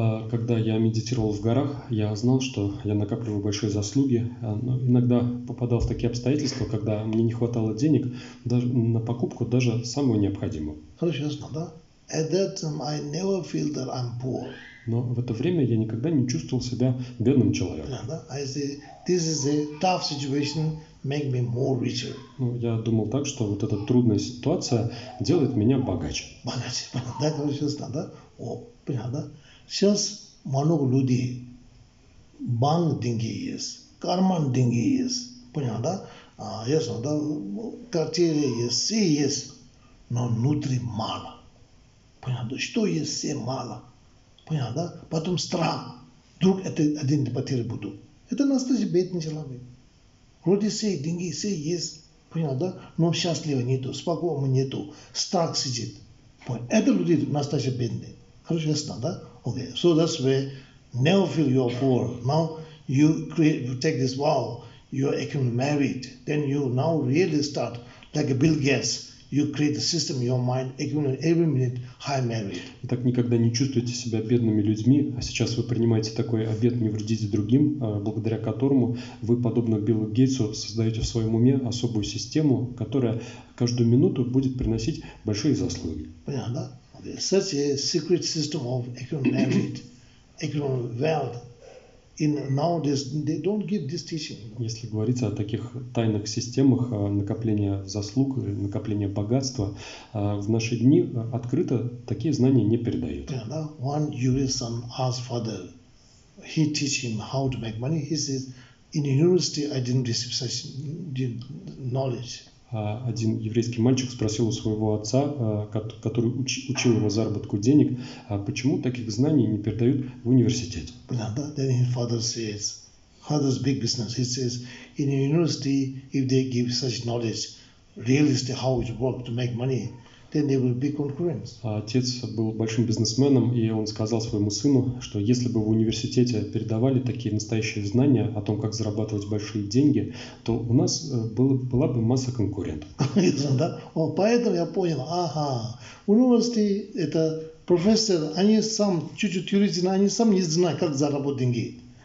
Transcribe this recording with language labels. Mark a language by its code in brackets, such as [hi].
[ru] Когда я медитировал в горах, я знал, что я накапливаю большие заслуги, но иногда попадал в такие обстоятельства, когда мне не хватало денег даже на покупку даже самого необходимого. Хорошо, ясно, да? [en] At that time I never feel that I'm poor. [ru] Но в это время я никогда не чувствовал себя бедным человеком. [en] Yeah, [ru] да? [en] I say, this is a tough situation, make me more richer. [ru] Ну, я думал так, что вот эта трудная ситуация делает меня богаче. Богаче, понятно, да? Хорошо, ясно, да? О, понятно, да? Сейчас много людей, банк деньги есть, карман деньги есть, понятно, да? Ясно, да? Квартиры есть, все есть, но внутри мало. Понятно, что есть все мало. Понятно? Потом страх. Вдруг это один потерь буду. Это настоящий бедный человек. Вроде все деньги, все есть. Понятно? Но счастлива нету, спокойно нету. Страх сидит. Понятно? Это люди настоящие бедные. Хорошо, ясно, да? Окей. [en] So that's where now feel you're poor. Now you create, you take this vow. You are actually married. Then you now really start like Bill Gates. You create the system, your mind, every minute high merit. [ru] И так никогда не чувствуете себя бедными людьми, а сейчас вы принимаете такой обет не вредить другим, благодаря которому вы, подобно Биллу Гейтсу, создаете в своем уме особую систему, которая каждую минуту будет приносить большие заслуги. Понятно, да? [en] Such a secret system of economic merit, economic wealth. In nowadays, they don't give this teaching. [ru] Если говорить о таких тайных системах накопления заслуг, накопления богатства, в наши дни открыто такие знания не передают. [en] One Jewish son asked father, he teach him how to make money. He says, in university I didn't receive such knowledge. [ru] Один еврейский мальчик спросил у своего отца, который учил его заработку денег, почему таких знаний не передают в университете. Понятно? [en] Then his father says, father's big business. He says, in university, if they give such knowledge, realistic how it works to make money, then there will be concurrence. [ru] Отец был большим бизнесменом, и он сказал своему сыну, что если бы в университете передавали такие настоящие знания о том, как зарабатывать большие деньги, то у нас была бы масса конкурентов. Да? О, поэтому я понял, ага, университет это профессор, они сам чуть-чуть юристы, но они сам не знают, как заработать деньги.